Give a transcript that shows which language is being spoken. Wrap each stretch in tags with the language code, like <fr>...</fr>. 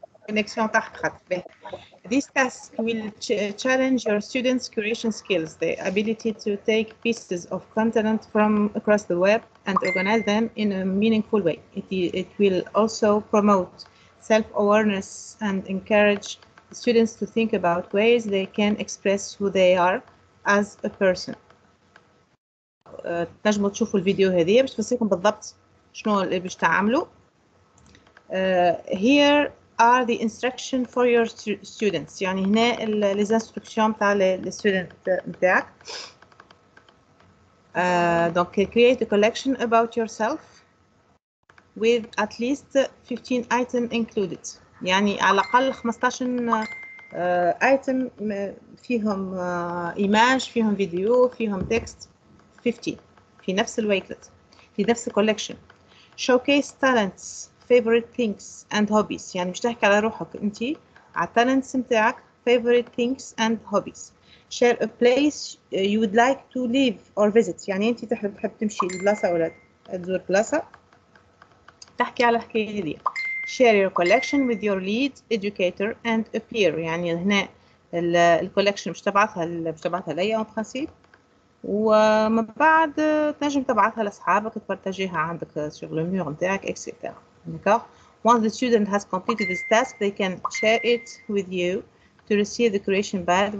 <en>connection This task will challenge your students' curation skills, the ability to take pieces of content from across the web and organize them in a meaningful way. It will also promote self-awareness and encourage students to think about ways they can express who they are as a person.</en> <ar>تنجموا تشوفوا الفيديو هذه باش تفسركم بالضبط شنو اللي باش تعملوا.</ar> <en>Here are the instructions for your students.</en> <ar>يعني هنا</ar> <fr>les instructions</fr> <ar>تاع</ar> <fr>les students</fr> <ar>نتاعك.</ar> <en>Donc create a collection about yourself with at least 15 items included.</en> <ar>يعني على الأقل 15 item فيهم image, فيهم video, فيهم text. 15 في نفس الويكلت في نفس الكولكشن.</ar> <en>Showcase talents. Favorite things and hobbies.</en> <ar>يعني مش تحكي على روحك انت على talents نتاعك</ar> <en>favorite things and hobbies. Share a place you would like to live or visit.</en> <ar>يعني انت تحب تمشي لبلاصه ولا تزور بلاصه. تحكي على الحكايه دي.</ar> <en>Share your collection with your lead educator and a peer.</en> <ar>يعني هنا الكولكشن مش تبعثها ليا</ar> <fr>اون برانسيب.</fr> <ar>ومن بعد تنجم تبعثها لاصحابك تبارتاجيها عندك شغل الميور نتاعك اكسيتيرا.</ar> <fr>D'accord.</fr> <en>Once the student has completed this task, they can share it with you to receive the creation badge.</en>